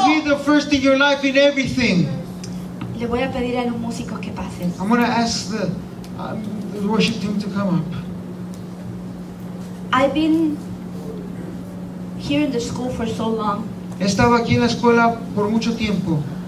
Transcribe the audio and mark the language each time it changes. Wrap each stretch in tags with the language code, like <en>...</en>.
<en>To be the first in your life in everything.</en> <es>Le voy a pedir a los músicos que pasen.</es> <en>I'm going to ask the worship team to come up. I've been here in the school for so long.</en> <es>He estado aquí en la escuela por mucho tiempo.</es>